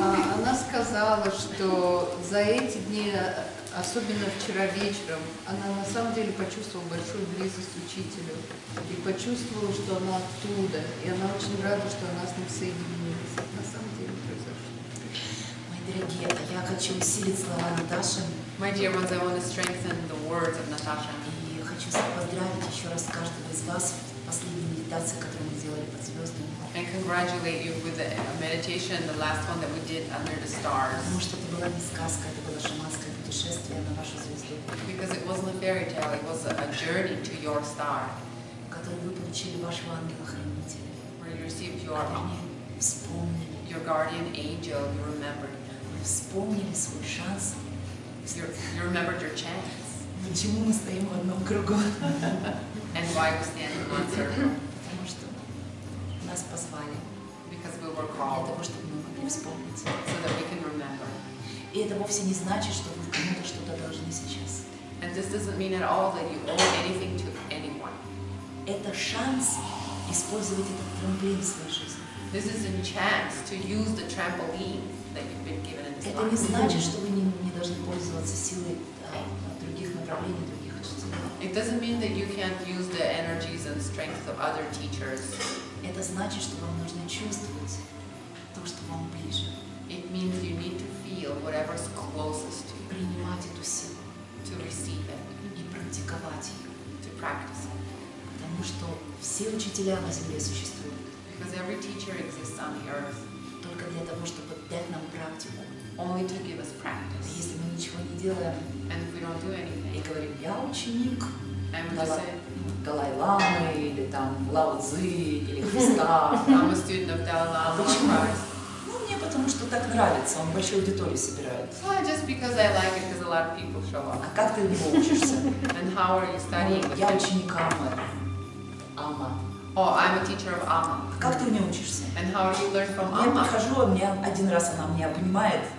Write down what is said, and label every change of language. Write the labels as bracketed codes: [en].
[ru] Она сказала, что за эти дни особенно вчера вечером, она на самом деле почувствовала большую близость к учителю и почувствовала, что она оттуда, и она очень рада, что она с ним соединилась. На самом деле произошло. Мои дорогие, я хочу усилить слова Наташи. [en] My dear ones, I want to strengthen the words of Natasha. [ru] И хочу поздравить еще раз каждого из вас в последней медитации, которую мы сделали под звездами. [en] And congratulate you with the meditation, the last one that we did under the stars. [ru] Потому что это была не сказка, это было шаманское путешествие на вашу звезду. [en] Because it wasn't a fairy tale, it was a journey to your star. [ru] Которую вы получили вашего ангела-хранителя. [en] Where you received your [ru] вспомнили. [en] Your guardian angel, you remembered. [ru] Вы вспомнили свой шанс. [en] You remembered your chance. [ru] Почему мы стоим в одном кругу? [en] And why we stand in one circle? [ru] Нас позвали. [en] Because we were called. [ru] Для того, чтобы мы могли вспомнить. [en] So that we can remember. [ru] И это вовсе не значит, что вы кому-то что-то должны сейчас. [en] And this doesn't mean at all that you owe anything to anyone. [ru] Это шанс использовать этот трамплин в своей жизни. [en] This is a chance to use the trampoline that you've been given in this [ru] life. Это не значит, что вы не должны пользоваться силой других направлений, других учителей. [en] It doesn't mean that you can't use the energies and strengths of other teachers. [ru] Это значит, что вам нужно чувствовать то, что вам ближе. [en] It means you need to feel whatever's closest to you. [ru] Принимать эту силу. [en] To receive it. [ru] И практиковать ее. [en] To practice it. [ru] Потому что все учителя на Земле существуют. [en] Because every teacher exists on the earth. [ru] Только для того, чтобы дать нам практику. [en] Only to give us practice. [ru] И если мы ничего не делаем. [en] And if we don't do anything. [ru] И говорим, я ученик. [en] And we say, [ru] Далай-ламы, или там Лао-цзы, или Христа. [en] I'm a student of Далай-ламы. [ru] Почему? Ну, мне потому, что так нравится, он большую аудиторию собирает. [en] Well, just because I like it, because a lot of people show up. [ru] А как ты его учишься? [en] And how are you studying? [ru] Я ученик Амы. Ама. [en] Oh, I'm a teacher of Ама. [ru] А как ты у нее учишься? [en] And how do you learn from Ама? [ru] Я прихожу, мне один раз она меня обнимает.